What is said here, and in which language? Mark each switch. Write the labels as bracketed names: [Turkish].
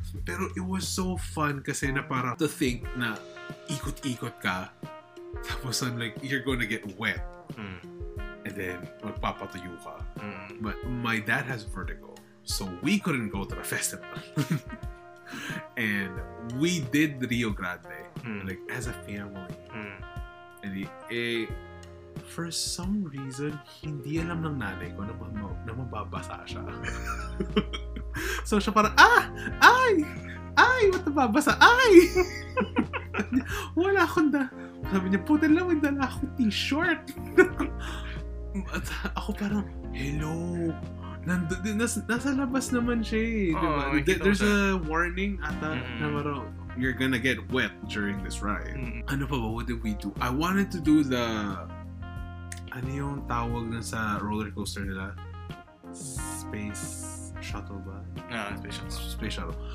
[English] Pero it was so fun [Filipino] kasi na para [English] to think [Filipino] na ikot-ikot ka, tapos [English] I'm like, you're gonna get wet. And then, [Filipino] magpapatuyo ka. [English] But my dad has vertigo, so we couldn't go to the festival. And we did Rio Grande, like, as a family. [Filipino] And for some reason, hindi alam ng nanay ko na mababasa siya. So siya parang, ay, what, mababasa, ay! Wala akong sabi niya, putin lang, may dala akong t-shirt. At ako parang, hello, nasa labas naman siya eh, diba? [English] There's a warning [Filipino] ata na maro, [English] you're gonna get wet during this ride. [Filipino] Ano pa ba, [English] what did we do? I wanted to do the, [Filipino] ano yung tawag na sa roller coaster nila? [English] Space shuttle ba? Space shuttle.